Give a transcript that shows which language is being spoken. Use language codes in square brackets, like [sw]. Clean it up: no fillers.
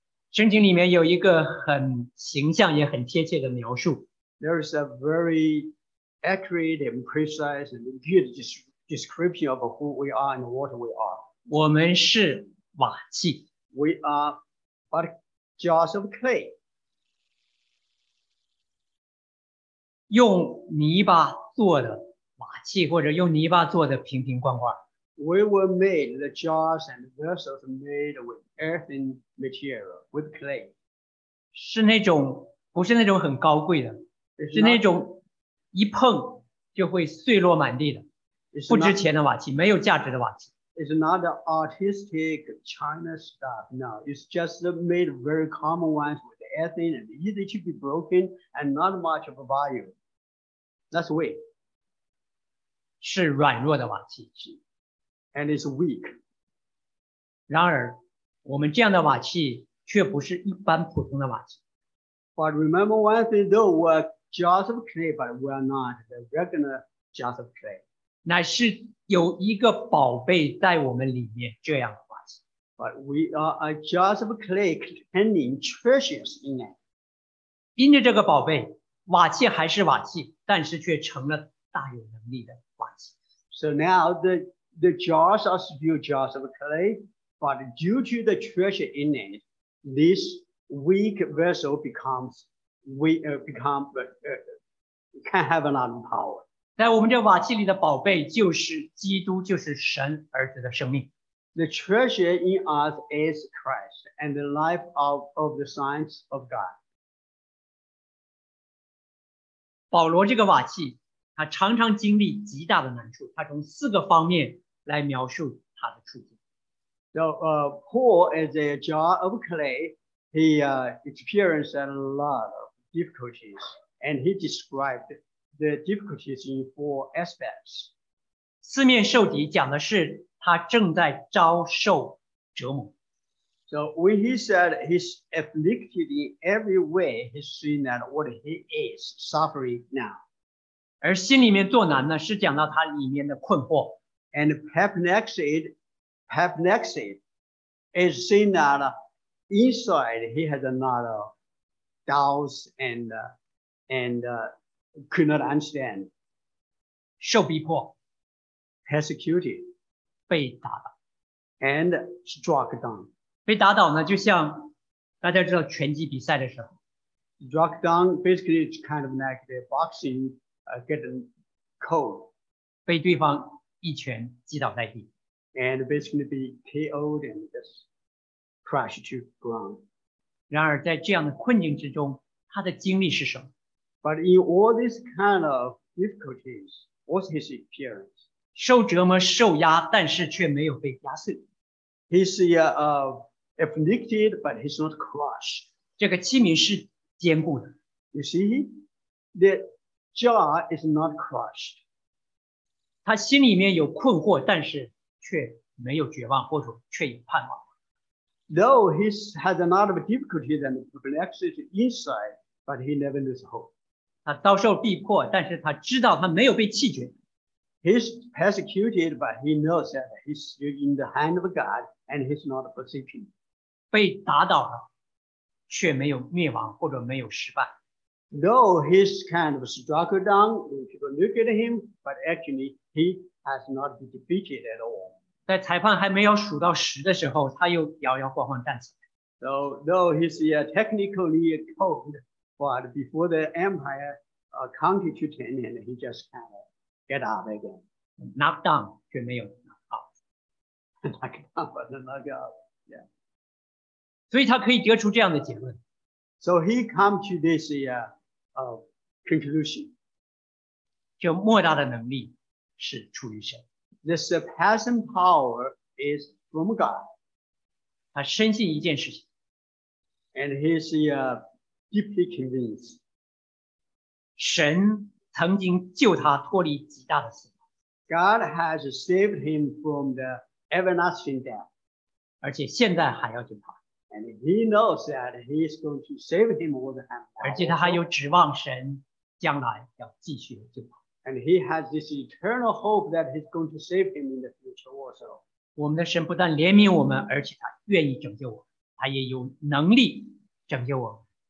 [zh] 圣经里面有一个很形象也很贴切的描述。 [en] There is a very accurate and precise and good description of who we are and what we are. [zh] 我们是瓦器。 [en] We are but jars of clay. [zh] 用泥巴做的瓦器或者用泥巴做的瓶瓶罐罐 [en] We were made the jars and vessels made with earthen material, with clay. [zh] 是那种不是那种很高贵的 [en] not, [zh] 是那种一碰就会碎落满地的 [en] not, [zh] 不值钱的瓦器没有价值的瓦器 [en] It's not the artistic China stuff, no. It's just made very common ones with Ethan and easy to be broken and not much of a value. That's weak. [zh] 是软弱的瓦器 [en] And it's weak. [zh] 然而我们这样的瓦器却不是一般普通的瓦器。 [en] But remember one thing, though we are jars of clay, but we are not the regular jars of clay. [zh] 乃是有一个宝贝在我们里面，这样的瓦器。 [en] But we are a jars of clay containing treasures in it. [zh] 因着这个宝贝，瓦器还是瓦器，但是却成了大有能力的瓦器。 [en] So now the jars are still jars of clay, but due to the treasure in it, this weak vessel becomes can have a lot of power. [zh] 在我们这瓦器里的宝贝就是基督，就是神儿子的生命。 [en] The treasure in us is Christ and the life of the sons of God. [zh] 保罗这个瓦器。他常常经历极大的难处，他从四个方面来描述他的处境。 [en] So, Paul is a jar of clay. He experienced a lot of difficulties, and he described the difficulties in four aspects. [zh] 四面受敌讲的是他正在遭受折磨。 [en] So, when he said he's afflicted in every way, he's seen that what he is suffering now. [zh] 而心里面作难呢，是讲到他里面的困惑。 [en] And perplexed is seen that inside he has a lot of doubts and could not understand. [zh] 受逼迫 [en] ，persecuted， [zh] 被打倒 [en] ，and struck down。 [zh] 被打倒呢，就像大家知道拳击比赛的时候 [en] ，struck down basically is kind of like the boxing。 Getting cold, [zh] 被对方一拳击倒在地 [en] and basically be KO'd and just crashed to ground. [zh] 然而在这样的困境之中，他的经历是什么？ [en] But in all these kind of difficulties, what's his experience? [zh] 受折磨、受压，但是却没有被压碎。 [en] He's afflicted, but he's not crushed. [zh] 这个器皿是坚固的。 [en] You see that. Jar is not crushed. [zh] 他心里面有困惑，但是却没有绝望，或者却有盼望。 [en] Though he has a lot of difficulties and perplexity inside, but he never loses hope. [zh] 他遭受逼迫，但是他知道他没有被弃绝。 [en] He's persecuted, but he knows that he's still in the hand of God and he's not forsaken. [zh] 被打倒了，却没有灭亡，或者没有失败。 [en] Though he's kind of struck down when people look at him, but actually he has not been defeated at all. [zh] 在裁判还没有数到十的时候，他又摇摇晃晃站起来。 [en] So, though he's technically cold, but before the umpire counted to ten, and he just kind of get up again. Knocked down, [zh] 却没有 [en] knock out. Knocked down, but knock out, yeah. [zh] 所以他可以得出这样的结论。 [en] So he come to this conclusion. [zh] 就莫大的能力是出于神。 [en] The surpassing power is from God. [zh] 他深信一件事情。 [en] And he's deeply convinced. [zh] 神曾经救他脱离极大的死亡。 [en] God has saved him from the everlasting death. [zh] 而且现在还要救他。 [en] And he knows that he is going to save him all the time. [zh] 而且他还有指望神将来要继续救他。 [en] And he has this eternal hope that he's going to save him in the future also. [zh] 我们的神不但怜悯我们，而且他愿意拯救我，他也有能力拯救我。